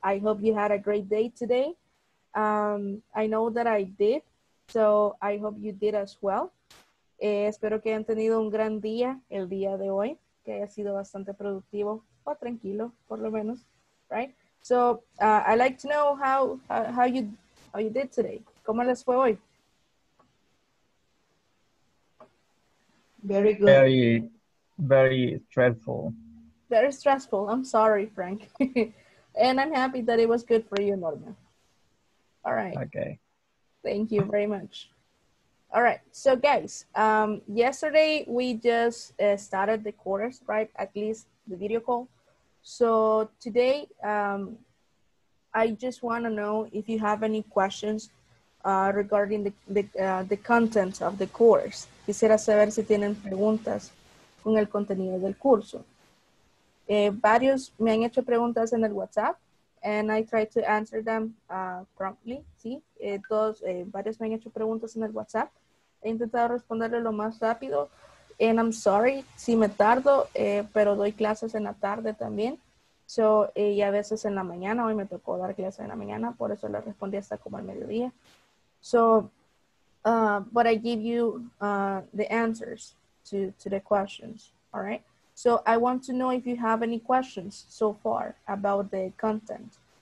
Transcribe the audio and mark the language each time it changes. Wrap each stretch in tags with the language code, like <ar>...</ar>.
<en>I hope you had a great day today. I know that I did, so I hope you did as well.</en> <es>Espero que hayan tenido un gran día el día de hoy, que haya sido bastante productivo o tranquilo, por lo menos, right?</es> <en>So I'd like to know how you did today.</en> <es>¿Cómo les fue hoy?</es> <en>Very good. Very, very stressful. Very stressful. I'm sorry, Frank. And I'm happy that it was good for you, Norman. All right. Okay. Thank you very much. All right. So, guys, yesterday we just started the course, right? At least the video call. So, today I just want to know if you have any questions regarding the content of the course.</en> <es>Quisiera saber si tienen preguntas con el contenido del curso. Varios me han hecho preguntas en el WhatsApp,</es> <en>and I try to answer them promptly,</en> <es>¿sí? Varios me han hecho preguntas en el WhatsApp. He intentado responderle lo más rápido,</es> <en>and I'm sorry</en> <es>si me tardo, pero doy clases en la tarde también. So, y a veces en la mañana, hoy me tocó dar clases en la mañana, por eso le respondí hasta como al mediodía.</es> <en>So, but I give you the answers to the questions, all right? So I want to know if you have any questions so far about the content.</en>